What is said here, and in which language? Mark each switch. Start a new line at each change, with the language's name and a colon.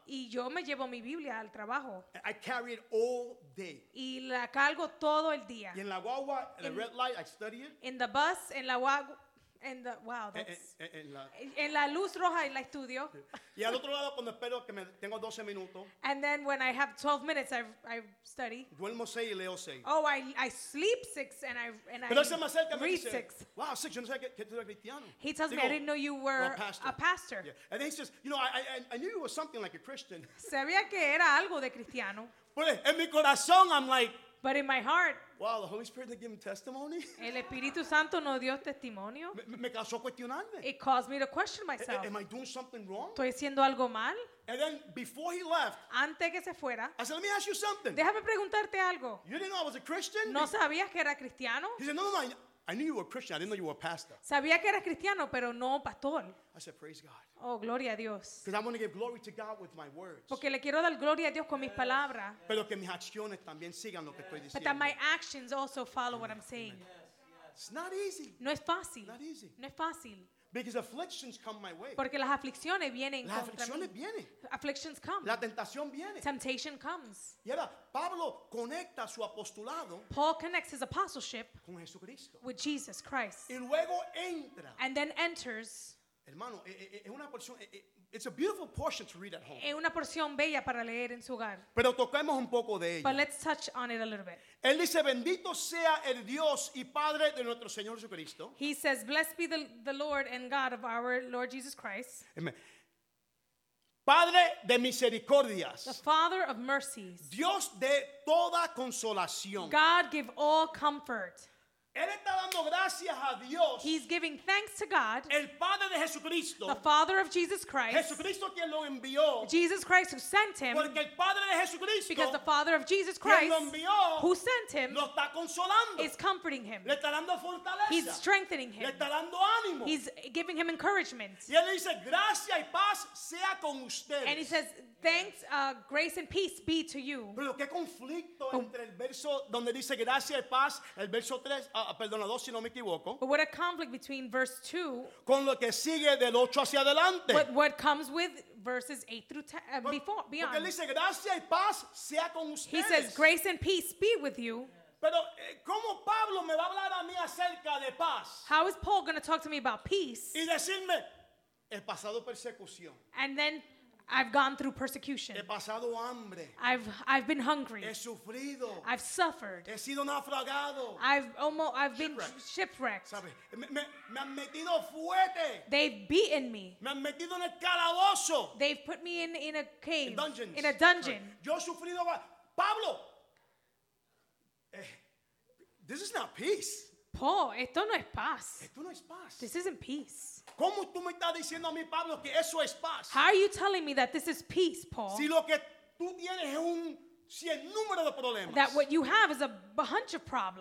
Spanish: Y yo me llevo mi Biblia al trabajo.
English: I carry it all day.
Spanish: Y la cargo todo el día. Y en la guagua,
English: in the red light, I study it. In the bus,
Spanish: en la guagua,
English: in the, wow, that's...
Spanish: En la luz roja, en la estudio. Y al otro lado, cuando espero que me tengo 12 minutos.
English: And then when I have 12 minutes, I study.
Spanish: Duermo 6 y leo 6.
English: Oh, I sleep 6 and
Spanish: pero
English: I
Spanish: me acerca,
English: read
Spanish: me dice, 6. Wow, 6, yo no sé que tú eres cristiano.
English: He tells me, I didn't know you were a pastor. Yeah. And then he says, you know, I knew you were something like a Christian.
Spanish: Sabía que era algo de cristiano. En mi corazón,
English: I'm like... But in my heart, wow, the Holy Spirit didn't give him testimony.
Spanish: El Espíritu Santo no dio testimonio. Me causó cuestionarme.
English: It caused me to question myself. Am I doing something wrong?
Spanish: ¿Estoy haciendo algo mal?
English: And then before he left,
Spanish: antes que se fuera,
English: I said, let me ask you something.
Spanish: Déjame preguntarte algo.
English: You didn't know I was a Christian?
Spanish: ¿No sabías que era cristiano?
English: He said, no, I knew you were Christian. I didn't know you were a pastor.
Spanish: Sabía que eras cristiano, pero no pastor.
English: I said, praise God.
Spanish: Oh, gloria a Dios.
English: Because I'm going to give glory to God with my words.
Spanish: Porque le quiero dar gloria a Dios con mis palabras. Pero que mis acciones también sigan lo que estoy diciendo.
English: But that my actions also follow what I'm saying. Yes, yes. It's not easy.
Spanish: No es fácil.
English: Not easy.
Spanish: No es fácil.
English: Because afflictions come my way.
Spanish: Porque las aflicciones vienen. Las aflicciones vienen.
English: Afflictions come.
Spanish: La tentación viene.
English: Temptation comes.
Spanish: Y ahora Pablo conecta su apostolado.
English: Paul connects his apostleship.
Spanish: Con Jesucristo.
English: With Jesus Christ.
Spanish: Y luego entra.
English: And then enters.
Spanish: Hermano, es una porción.
English: It's a beautiful portion to read at home.
Spanish: Es una porción bella para leer en su hogar. Pero toquemos un poco de ella.
English: But let's touch on it a little bit.
Spanish: Él dice, bendito sea el Dios y Padre de nuestro Señor Jesucristo.
English: He says, blessed be the Lord and God of our Lord Jesus Christ.
Spanish: Amen. Padre de misericordias.
English: The Father of mercies.
Spanish: Dios de toda consolación.
English: God give all comfort.
Spanish: Él está dando gracias a Dios.
English: He's giving thanks to God.
Spanish: El Padre de Jesucristo.
English: The Father of Jesus Christ.
Spanish: Jesucristo quien lo envió.
English: Jesus Christ who sent him.
Spanish: Porque el Padre de Jesucristo.
English: Because the Father of Jesus Christ.
Spanish: Quien lo envió.
English: Who sent him.
Spanish: Lo está consolando.
English: Is comforting him.
Spanish: Le está dando fortaleza.
English: He's strengthening him.
Spanish: Le está dando ánimo.
English: He's giving him encouragement.
Spanish: Y él dice, gracia y paz sea con ustedes.
English: And he says, thanks, grace and peace be to you.
Spanish: Pero qué conflicto entre el verso donde dice gracia y paz, el verso 3, perdona, 2 si no me equivoco.
English: But what a conflict between verse 2
Spanish: con lo que sigue del 8 hacia adelante.
English: But what comes with verses 8 through 10, before, beyond.
Spanish: Porque él dice gracia y paz sea con ustedes.
English: He says grace and peace be with you.
Spanish: Pero ¿cómo Pablo me va a hablar a mí acerca de paz?
English: How is Paul going to talk to me about peace?
Spanish: Y decirme he pasado persecución.
English: And then I've gone through persecution.
Spanish: He pasado hambre.
English: I've been hungry.
Spanish: He sufrido.
English: I've suffered.
Spanish: He sido naufragado.
English: I've been shipwrecked.
Spanish: Me han metido fuerte.
English: They've beaten me.
Spanish: Me han metido en el calabozo.
English: They've put me in a cave. Dungeons. In a dungeon.
Spanish: Yo sufrido. Pablo.
English: This is not peace.
Spanish: Paul, esto no es paz. Esto no es paz.
English: This isn't peace.
Spanish: ¿Cómo tú me estás diciendo a mí, Pablo, que eso es paz?
English: How are you telling me that this is peace, Paul?
Spanish: Si lo que tú tienes es un cienúmero de problemas.
English: That what you have is a bunch of problems.